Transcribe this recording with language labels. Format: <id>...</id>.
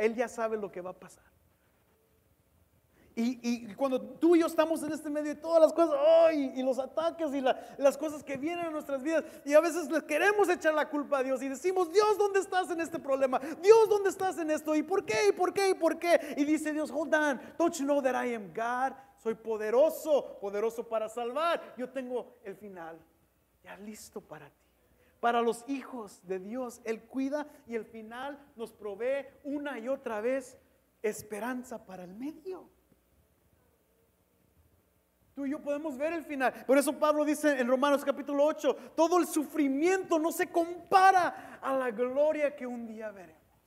<es>Él ya sabe lo que va a pasar. Y cuando tú y yo estamos en este medio de todas las cosas, oh, y los ataques y las cosas que vienen a nuestras vidas, y a veces les queremos echar la culpa a Dios y decimos, Dios, ¿dónde estás en este problema? Dios, ¿dónde estás en esto? ¿Y por qué? ¿Y por qué? ¿Y por qué? Y dice Dios,</es> <en>hold on, don't you know that I am God?</en> <es>Soy poderoso, poderoso para salvar. Yo tengo el final. Ya listo para ti, para los hijos de Dios. Él cuida y al final nos provee una y otra vez esperanza para el medio. Tú y yo podemos ver el final. Por eso Pablo dice en Romanos capítulo 8, todo el sufrimiento no se compara a la gloria que un día veremos.</es>